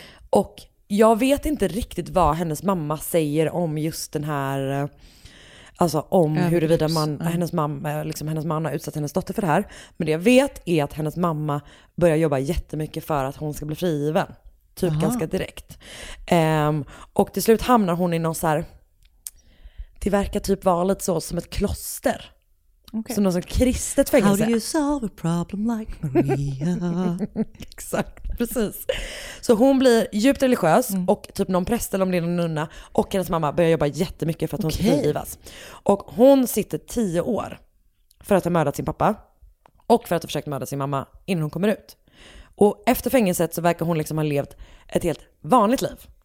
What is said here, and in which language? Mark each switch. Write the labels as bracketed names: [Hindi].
[Swedish] Och jag vet inte riktigt vad hennes mamma säger om just den här, alltså om huruvida man, hennes mamma, liksom hennes man har utsatt hennes dotter för det här. Men det jag vet är att hennes mamma börjar jobba jättemycket för att hon ska bli frigiven. Typ ganska direkt. Och till slut hamnar hon i någon så här, det verkar typ vara lite så som ett kloster. Okay. Som någon sån kristet fängelse. [English] How do you solve a problem like Maria? [Swedish] Exakt, precis. Så hon blir djupt religiös och typ någon präst eller om det är någon nunna, och hennes mamma börjar jobba jättemycket för att hon ska frigivas. Och hon sitter 10 år för att ha mördat sin pappa och för att ha försökt mörda sin mamma innan hon kommer ut. Och efter fängelset så verkar hon liksom ha levt ett helt vanligt liv.